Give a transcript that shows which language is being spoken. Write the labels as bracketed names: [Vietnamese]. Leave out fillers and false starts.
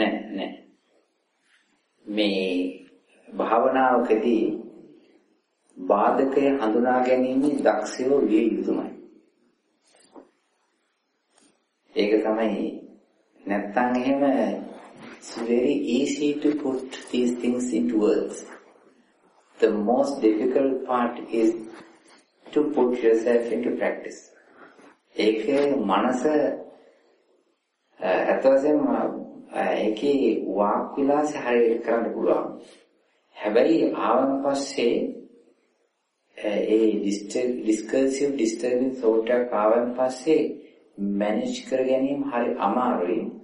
[Sinhala] නෑ මේ භාවනාවකදී බාධකේ හඳුනා ගැනීම දක්ෂය විය යුතුමයි. ඒක තමයි නැත්තම් එහෙම [English] it's very easy to put these things into words. The most difficult part is to put yourself into practice. [Sinhala] ඒක මනස අතවසෙම ඒකේ වාක් විලාසය හරියට කරන්න පුළුවන්. හැබැයි ආවන් පස්සේ ඒ [English] discursive disturbing thought [Sinhala] එක ආවන් පස්සේ මැනේජ් කර ගැනීම හරි අමාරුයි.